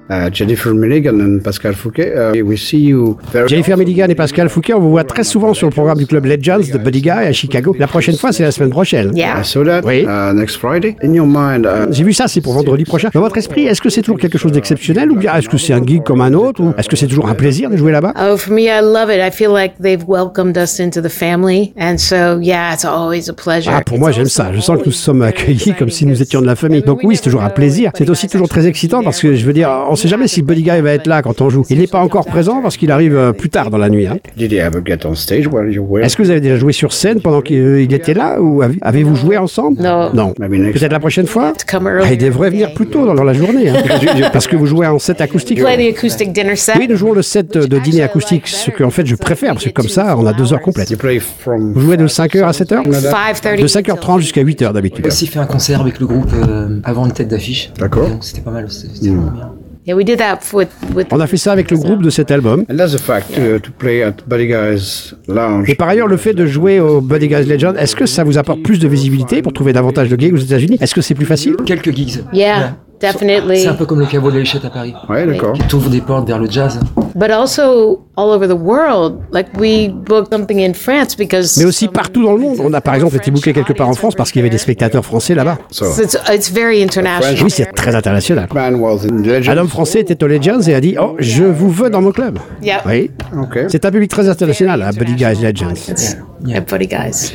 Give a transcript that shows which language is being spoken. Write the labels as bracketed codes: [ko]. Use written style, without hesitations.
[en] Jennifer Milligan and Pascal Fouquet, we see you very [fr] Jennifer Milligan et Pascal Fouquet, on vous voit très souvent sur le programme du club Legends de Buddy Guy à Chicago. La prochaine fois, c'est la semaine prochaine. [en] Yeah. I saw that. [fr] Oui. [en] Next Friday. In your mind. [fr] J'ai vu ça, c'est pour vendredi prochain. Dans votre esprit, est-ce que c'est toujours quelque chose d'exceptionnel ou bien est-ce que c'est un gig comme un autre ou est-ce que c'est toujours un plaisir de jouer là-bas? [en] Oh, for me, I love it. I feel like they've welcomed us into the family, and so yeah, it's always a pleasure. [fr] Ah, pour moi, j'aime ça. Je sens que nous sommes accueillis comme si nous étions de la famille. Donc oui, c'est toujours un plaisir. C'est aussi toujours très excitant parce que je veux dire, on sait jamais si Buddy Guy va être là quand on joue. Il n'est pas encore présent parce qu'il arrive plus tard dans la nuit. Hein. Est-ce que vous avez déjà joué sur scène pendant qu'il était là ou avez-vous joué ensemble? Non. Peut-être la prochaine fois. Il devrait venir plus tôt dans la journée. Hein. Parce que vous jouez en set acoustique. Oui, nous jouons le set de dîner acoustique, ce que en fait je préfère parce que comme ça on a deux heures complètes. Vous jouez de 5h à 7h? De 5h30 jusqu'à 8h d'habitude. J'ai aussi fait un concert avec le groupe avant une tête d'affiche. D'accord. Donc c'était pas mal. C'était vraiment bien. [en] Yeah, we did that with [fr] on a fait ça avec le groupe de cet album. [en] And that's a fact, to play at Buddy Guy's Lounge. [fr] Et par ailleurs, le fait de jouer au Buddy Guy's Legend, est-ce que ça vous apporte plus de visibilité pour trouver davantage de gigs aux États-Unis? Est-ce que c'est plus facile? Quelques gigs. [en] Yeah. Yeah. Definitely. [fr] C'est un peu comme le caveau de l'échette à Paris. Ouais, d'accord. Qui t'ouvre des portes vers le jazz. [en] But also all over the world, like we booked something in France because. [fr] Mais aussi partout dans le monde. On a par exemple été booké quelque part en France parce qu'il y avait des spectateurs français là-bas. [en] It's very international. [fr] Oui, c'est très international. Un homme français était au Legends et a dit, oh, je vous veux dans mon club. [en] Yeah. [fr] Oui. Okay. C'est un public très international, à Buddy Guy's Legends. [en] Yeah, Buddy Guy's.